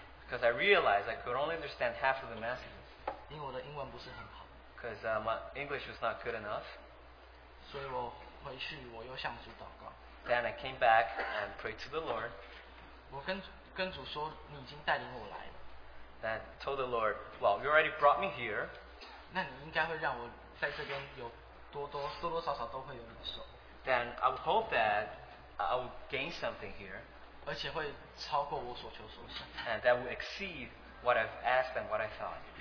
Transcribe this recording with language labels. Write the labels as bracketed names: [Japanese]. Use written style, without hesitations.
[English] Because I realized I could only understand half of the message. [Chinese] 因为我的英文不是很好。 [English] Because my English was not good enough. [Chinese] 所以我回去我又向主祷告。 [English] Then I came back and prayed to the Lord. [Chinese] 我跟主说，你已经带领我来了。 [English] I told the Lord, well, you already brought me here. [Chinese] 那你应该会让我在这边有多多少少都会有领受。 [English] Then I would hope that I would gain something here. [Chinese] 而且会超过我所求所想。 [English] And that would exceed what I've asked and what I thought.